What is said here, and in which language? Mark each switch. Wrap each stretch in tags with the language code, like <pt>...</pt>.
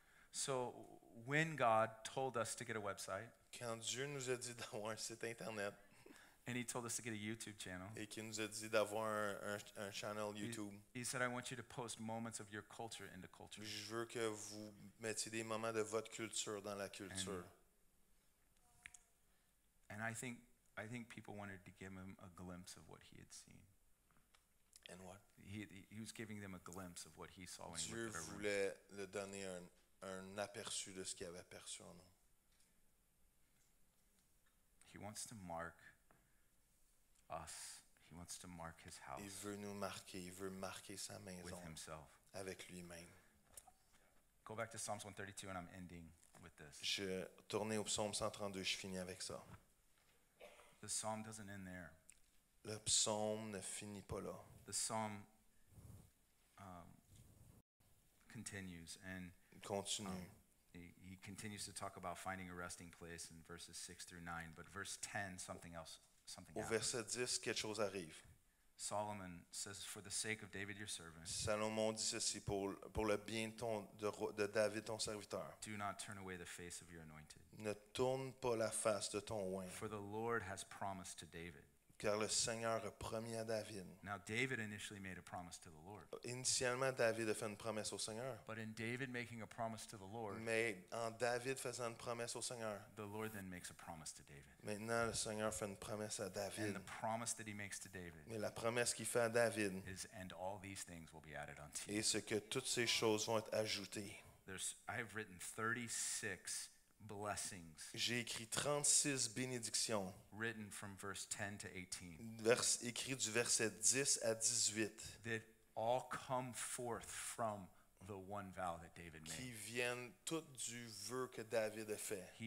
<en>So when God told us to get a website,</en> <fr>quand Dieu nous a dit d'avoir un site internet,</fr> <en>and He told us to get a YouTube channel,</en> <fr>et qu'il nous a dit d'avoir un channel YouTube,</fr> <en>He said, "I want you to post moments of your culture into culture."</en> <fr>Je veux que vous mettiez des moments de votre culture dans la culture.</fr> <en>And I think people wanted to give him a glimpse of what he had seen. And what? He was giving them a glimpse of what he saw.</en> <fr>Dieu voulait le donner un aperçu de ce qu'il avait perçu en nous.</fr> <en>He wants to mark us. He wants to mark his house.</en> <fr>Il veut nous marquer. Il veut marquer sa maison.</fr> <en>With himself.</en> <fr>Avec lui-même.</fr> <en>Go back to Psalms 132, and I'm ending with this.</en> <fr>Je tourne au psaume 132. Je finis avec ça.</fr> <en>The psalm doesn't end there.</en> <fr>Le psaume ne finit pas là.</fr> <en>The psalm continues and</en> <fr>continue.</fr> <en>He continues to talk about finding a resting place in verses 6 through 9, but verse 10, something else.</en> <fr>Au verset 10, quelque chose arrive.</fr> <en>Solomon says, "For the sake of David, your servant."</en> <fr>Salomon dit ceci pour le bien de David, ton serviteur.</fr> <en>Do not turn away the face of your anointed.</en> <fr>Ne tourne pas la face de ton oint.</fr> <en>For the Lord has promised to David.</en> <fr>Car le Seigneur a promis à David.</fr> <en>Now David initially made a promise to the Lord.</en> <fr>Initialement, David a fait une promesse au Seigneur.</fr> <en>But in David making a promise to the Lord,</en> <fr>mais en David faisant une promesse au Seigneur,</fr> <en>the Lord then makes a promise to David.</en> <fr>Maintenant, le Seigneur fait une promesse à David.</fr> <en>And the promise that he makes to David,</en> <fr>mais la promesse qu'il fait à David,</fr> <en>is, "And all these things will be added unto you."</en> <fr>Et c'est que toutes ces choses vont être ajoutées.</fr> <en>I have written 36 blessings.</en> <fr>J'ai écrit 36 bénédictions.</fr> <en>Written from verse 10 to 18.</en> <fr>Écrit du verset 10 à 18.</fr> <en>That all come forth from the one vow that David made.</en> <fr>Qui viennent toutes du vœu que David a fait.</fr>